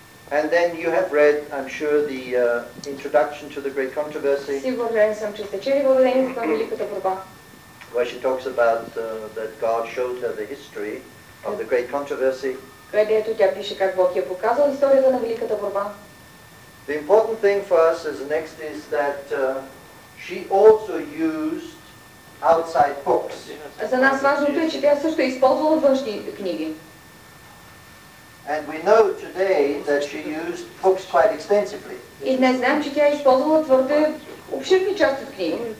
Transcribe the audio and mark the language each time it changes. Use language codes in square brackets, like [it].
[en] And then you have read, I'm sure, the introduction to the Great Controversy. [bg] Сигурен съм, че сте чели въведението към Великата борба. [en] Where she talks about that God showed her the history of the Great Controversy. [bg] Където тя пише как Бог я показал историята на Великата борба. [en] The important thing for us as next is that she also used outside books. [bg] За нас важното е, че тя също използвала външни книги. [en] And we know today that she used books quite extensively. [bg] И днес знаем, че тя използвала твърде обширни части от книги.